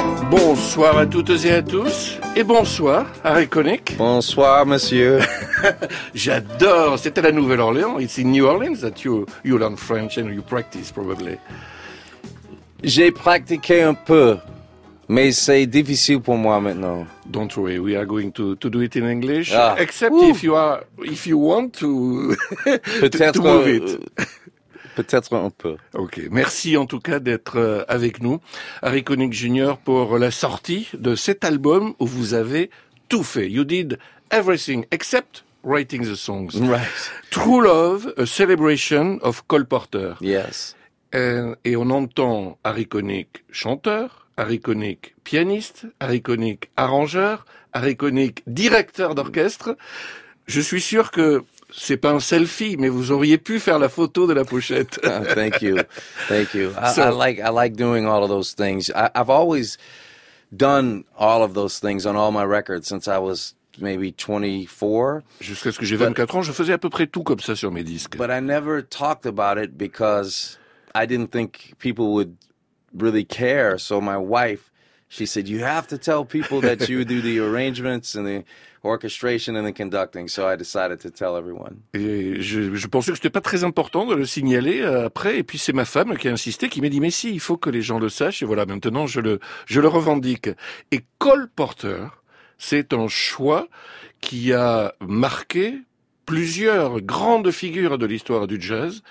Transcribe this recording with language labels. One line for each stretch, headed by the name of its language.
French: Bonsoir à toutes et à tous, et bonsoir à Reconic. Bonsoir, monsieur. J'adore, c'était la Nouvelle-Orléans.
English: It's in New Orleans that you learn French and you practice, probably.
French: J'ai pratiqué un peu, mais c'est difficile pour moi maintenant.
English: Don't worry, we are going to do it in English. Ah. Except Ouh. if you want to
French: peut-être
English: to move it.
French: Peut-être un peu. Ok, merci en tout cas d'être avec nous, Harry Connick Jr., pour la sortie de cet album où vous avez tout fait.
English: You did everything except writing the songs. Right. True Love, a celebration of Cole Porter. Yes.
French: Et on entend Harry Connick chanteur, Harry Connick pianiste, Harry Connick arrangeur, Harry Connick directeur d'orchestre. Je suis sûr que c'est pas un selfie, mais vous auriez pu faire la photo de la pochette.
English: Thank you. I like doing all of those things. I've always done all of those things on all my records since I was maybe 24.
French: Jusqu'à ce que j'ai 24 ans, je faisais à peu près tout comme ça sur mes disques.
English: But I never talked about it because I didn't think people would really care. So my wife, she said, you have to tell people that you do the arrangements and the orchestration and the conducting. So I decided to tell everyone.
French: Et je pensais que c'était pas très important de le signaler après. Et puis c'est ma femme qui a insisté, qui m'a dit, mais si, il faut que les gens le sachent. Et voilà, maintenant je le revendique. Et Cole Porter, c'est un choix qui a marqué plusieurs grandes figures de l'histoire du jazz.